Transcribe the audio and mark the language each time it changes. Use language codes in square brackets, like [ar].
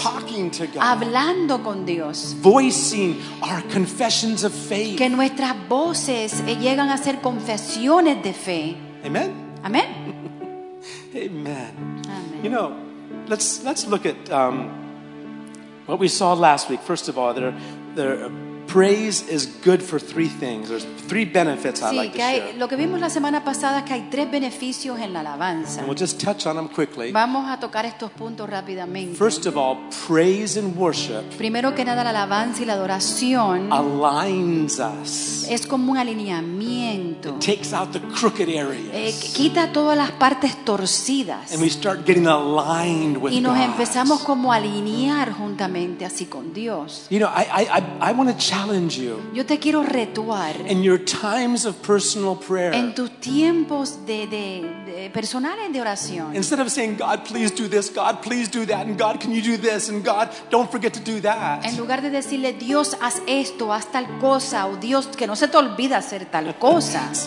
[en] Talking to God. [es] Hablando con Dios. [en] Voicing our confessions of faith. [es] Que nuestras voces llegan a ser confesiones de fe. [en] Amen. [es] Amen. [en] Amen. You know, let's look at what we saw last week. First of all, there praise is good for three things. There's three benefits I'd like to share. [es] Lo que vimos la semana pasada es que hay tres beneficios en la alabanza. [en] And we'll just touch on them quickly. [es] Vamos a tocar estos puntos rápidamente. [en] First of all, praise and worship. [es] Primero que nada, la alabanza y la adoración [en] aligns us. [es] Es como un alineamiento. [en] It takes out the crooked areas. [es] Quita todas las partes torcidas. [en] And we start getting aligned with [es] God. Y nos [en] God. [es] Empezamos como a alinear juntamente así con Dios. [en] You know, I want to challenge you. [es] Yo te quiero retuar. [en] In your times of personal prayer. [es] En tus tiempos de personales de oración. [en] Instead of saying, God, please do this, God, please do that, and God, can you do this, and God, don't forget to do that. [es] En lugar de decirle, Dios, haz esto, haz tal cosa, o Dios, que no se te olvide hacer tal cosa.